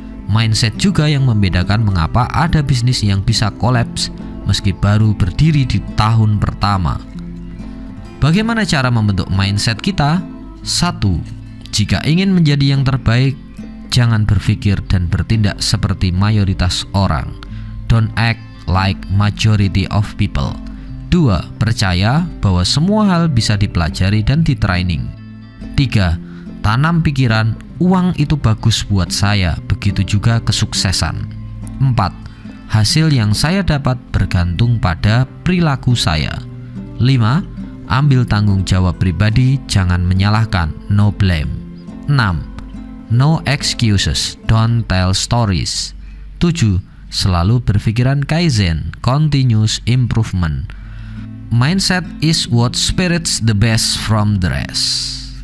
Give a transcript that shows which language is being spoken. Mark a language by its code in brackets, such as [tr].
[id] Mindset juga yang membedakan mengapa ada bisnis yang bisa collapse meski baru berdiri di tahun pertama. Bagaimana cara membentuk mindset kita? 1. Jika ingin menjadi yang terbaik, jangan berpikir dan bertindak seperti mayoritas orang. [en] Don't act like majority of people. [id] 2. Percaya bahwa semua hal bisa dipelajari dan ditraining. 3. Tanam pikiran, uang itu bagus buat saya, begitu juga kesuksesan. 4. Hasil yang saya dapat bergantung pada perilaku saya. 5. Ambil tanggung jawab pribadi, jangan menyalahkan, [en] no blame. [id] 6. [en] No excuses, don't tell stories. 7. [id] Selalu berpikiran Kaizen, continuous improvement. [en] Mindset is what spirits the best from the rest.